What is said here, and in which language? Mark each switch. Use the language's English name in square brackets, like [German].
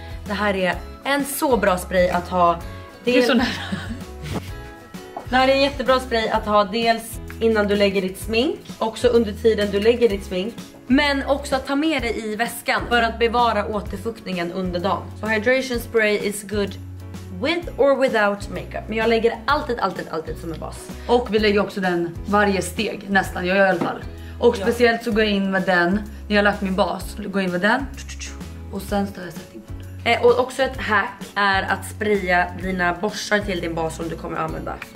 [Swedish] Det här är en så bra spray att ha. Det är så nära. Det här är en jättebra spray att ha dels innan du lägger ditt smink, också under tiden du lägger ditt smink. Men också att ta med dig i väskan för att bevara återfuktningen under dagen. [English] Så hydration spray is good with or without makeup. [Swedish] Men jag lägger alltid som en bas. Och vi lägger också den varje steg, nästan, jag gör i alla fall. Och speciellt så går jag in med den, när jag har lagt min bas, går jag in med den. Och sen tar jag setting powder. Och också ett hack är att spraya dina borstar till din bas som du kommer använda.